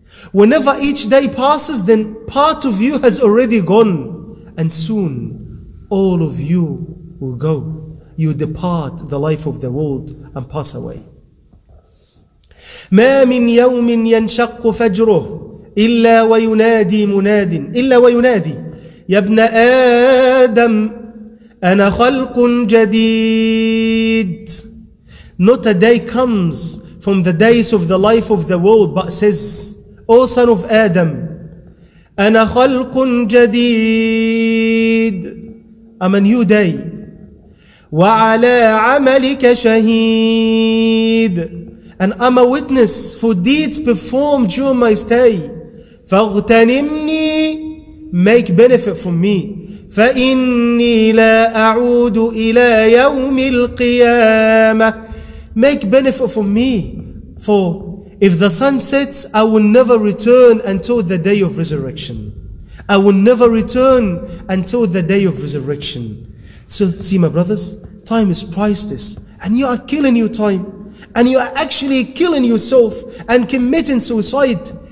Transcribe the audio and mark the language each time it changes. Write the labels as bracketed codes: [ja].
[en] Whenever each day passes, then part of you has already gone, and soon all of you will go. You depart the life of the world and pass away. [ar] مَا مِن يَوْمٍ يَنْشَقُّ فَجْرُهُ إلا وينادي مناد إلا وينادي يا ابن آدم أنا خلق جديد. [en] Not a day comes from the days of the life of the world but says, O son of Adam, [ar] أنا خلق جديد. [en] I'm a new day. [ar] وعلى عملك شهيد. [en] And I'm a witness for deeds performed during my stay. [ar] فاغتنمني. [en] Make benefit from me. [ar] فإني لا أعود إلى يوم القيامة. [en] Make benefit from me. For if the sun sets, I will never return until the day of resurrection. I will never return until the day of resurrection. So see my brothers, time is priceless. And you are killing your time. And you are actually killing yourself and committing suicide.